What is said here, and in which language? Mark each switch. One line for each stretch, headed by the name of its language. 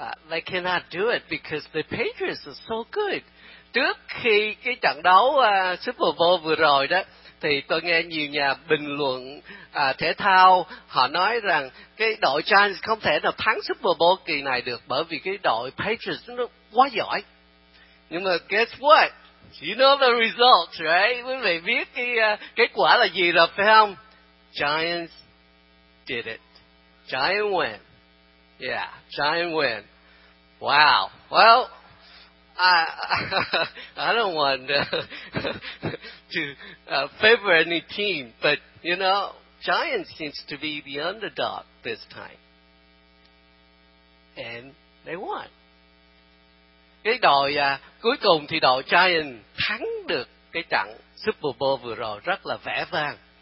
English: They cannot do it because the Patriots are so good.
Vietnamese: Trước khi cái trận đấu Super Bowl vừa rồi đó, thì tôi nghe nhiều nhà bình luận thể thao, họ nói rằng cái đội Giants không thể nào thắng Super Bowl kỳ này được bởi vì cái đội Patriots nó quá giỏi. Nhưng mà
English: guess what? You know the results, right?
Vietnamese: Quý vị biết kết quả là gì rồi, phải không?
English: Giants did it. Giants win. Yeah, Giants win. Wow. Well, I don't want to favor any team, but, you know, Giants seems to be the underdog this time. And they won.
Vietnamese: Cái đội cuối cùng thì đội Giants thắng được cái trận Super Bowl vừa rồi rất là vẻ vang.